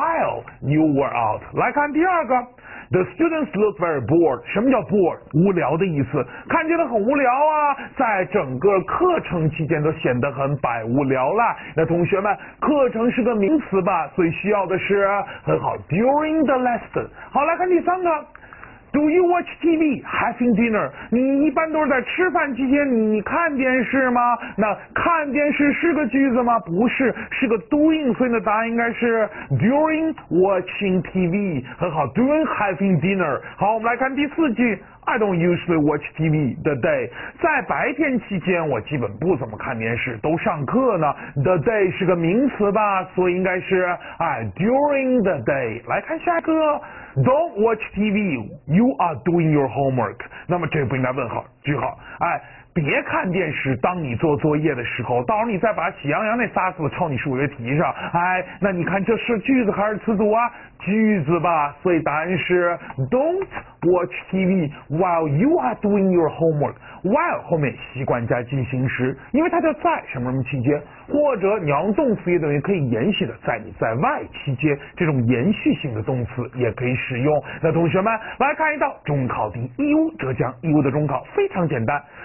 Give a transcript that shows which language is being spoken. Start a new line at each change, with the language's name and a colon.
English: While you were out，
Chinese: 来看第二个
English: ，The students look very bored。
Chinese: 什么叫 bored？无聊的意思，看起来很无聊啊，在整个课程期间都显得很百无聊了。那同学们，课程是个名词吧，所以需要的是很好 ，
English: during the lesson。
Chinese: 好，来看第三个。
English: Do you watch TV having dinner？
Chinese: 你一般都是在吃饭期间你看电视吗？那看电视是个句子吗？不是，是个 doing， 所以的答案应该是
English: during watching TV。
Chinese: 很好，
English: during having dinner。
Chinese: 好，我们来看第四句。
English: I don't usually watch TV the day，
Chinese: 在白天期间我基本不怎么看电视，都上课呢。 The day 是个名词吧，所以应该是
English: during the day。
Chinese: 来看下一个，
English: Don't watch TV， you are doing your homework。
Chinese: 那么这不应该问号句号，哎，别看电视，当你做作业的时候，到时候你再把喜羊羊那仨字抄你数学题上，哎，那你看这是句子还是词组啊？句子吧，所以答案是
English: Don't watch TV while you are doing your homework。
Chinese: While 后面习惯加进行时，因为它就在什么什么期间，或者你用动词也等于可以延续的，在你在外期间，这种延续性的动词也可以使用。那同学们来看一道中考题，义乌浙江义乌的中考非常简单。